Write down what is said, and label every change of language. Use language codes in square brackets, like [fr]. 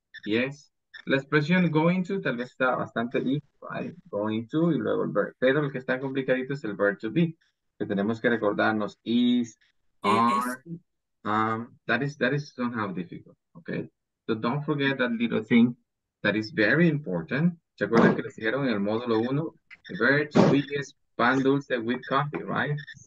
[es] Yes. La expresión going to, tal vez está bastante deep, right? Going to, y luego el verb. Pero el que está complicadito es el verb to be. [en] Que tenemos que recordarnos is, are, that is somehow difficult, okay? So don't forget that little thing that is very important. [es] ¿Se acuerdan que les dijeron en el módulo 1? [en] The verb to be is pan dulce with coffee, right?